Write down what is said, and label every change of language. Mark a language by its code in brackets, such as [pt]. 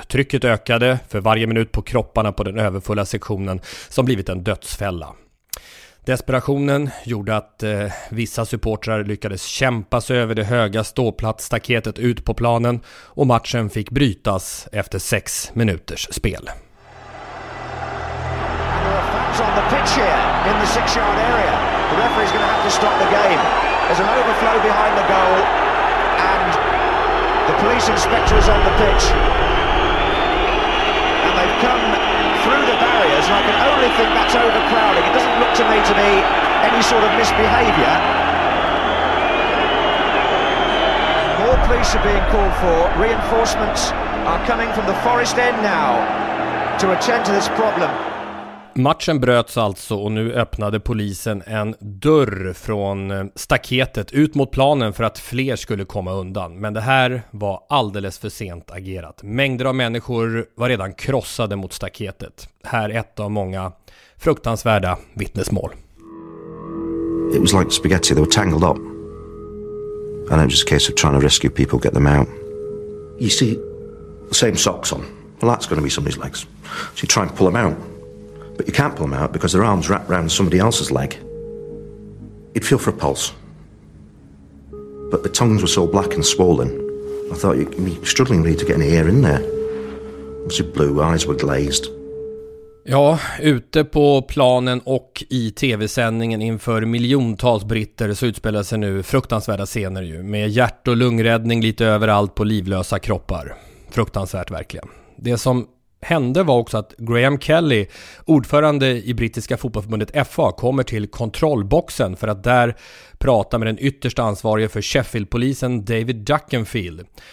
[sv] Trycket ökade för varje minut på kropparna på den överfulla sektionen som blivit en dödsfälla. Desperationen gjorde att vissa supportrar lyckades kämpa sig över det höga ståplatsstaketet ut på planen och matchen fick brytas efter 6 minuters spel. [en] On the pitch here in the 6-yard area, the referee's going to have to stop the game. There's an overflow behind the goal and the police inspector is on the pitch and they've come through the barriers and I can only think that's overcrowding. It doesn't look to me to be any sort of misbehaviour. More police are being called for. Reinforcements are coming from the Forest End now to attend to this problem. [sv] Matchen bröts alltså och nu öppnade polisen en dörr från staketet ut mot planen för att fler skulle komma undan. Men det här var alldeles för sent agerat. Mängder av människor var redan krossade mot staketet. Här ett av många fruktansvärda vittnesmål. [en] It was like spaghetti, they were tangled up. And it was just a case of trying to rescue people, get them out. You see, the same socks on. Well, that's going to be somebody's legs. So you try and pull them out. But you can't pull them out because their arms wrapped around somebody else's leg. You'd feel for a pulse. But the tongues were so black and swollen, I thought you'd be struggling really to get any air in there. Obviously blue eyes were glazed. [sv] Ja, ute på planen och i tv-sändningen inför miljontals britter så utspelar sig nu fruktansvärda scener ju. Med hjärt- och lungräddning lite överallt på livlösa kroppar. Fruktansvärt verkligen. Det som hände var också att Graham Kelly, ordförande i brittiska fotbollförbundet FA, kommer till kontrollboxen för att där prata med den ytterst ansvarige för Sheffield-polisen David Duckenfield.